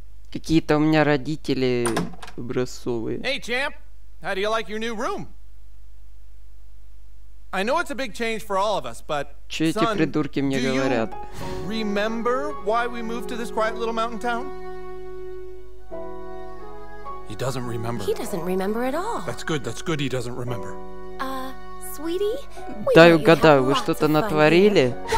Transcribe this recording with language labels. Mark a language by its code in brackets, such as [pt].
[ru] Какие-то у меня родители образцовые. [en] Hey, champ! How do you like your new room? I know it's a big change for all of us, but... [ru] Че эти придурки мне говорят? [en] Remember why we moved to this quiet little mountain town? He doesn't remember. He doesn't remember at all. That's good he doesn't remember. Sweetie, [ru] дай угадаю, вы что-то натворили?